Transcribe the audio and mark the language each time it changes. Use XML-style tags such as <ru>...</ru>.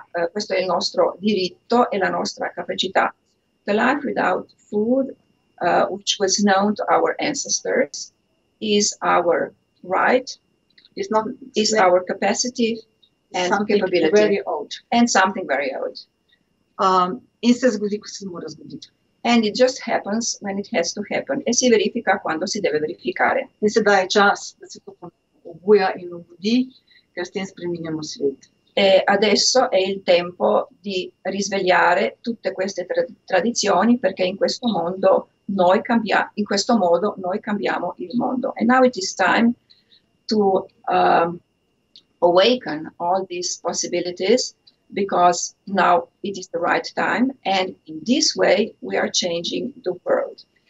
<it>Questo è il nostro diritto e la nostra capacità.</it> <en>The life without food, which was known to our ancestors, is our right, our capacity and capability. Something very old.</en> <sl>In se zgodi, ko se mora zgoditi.</sl> <en>And it just happens when it has to happen.</en> <it>E si verifica quando si deve verificare.</it> <sl>In se daje čas, da se to obuja in obudi, ker s tem spreminjamo svet.</sl> <it>E adesso è il tempo di risvegliare tutte queste tradizioni perché in questo modo noi cambiamo il mondo.</it> <en>And now it is time to awaken all these possibilities because now it is the right time and in this way we are changing the world.</en>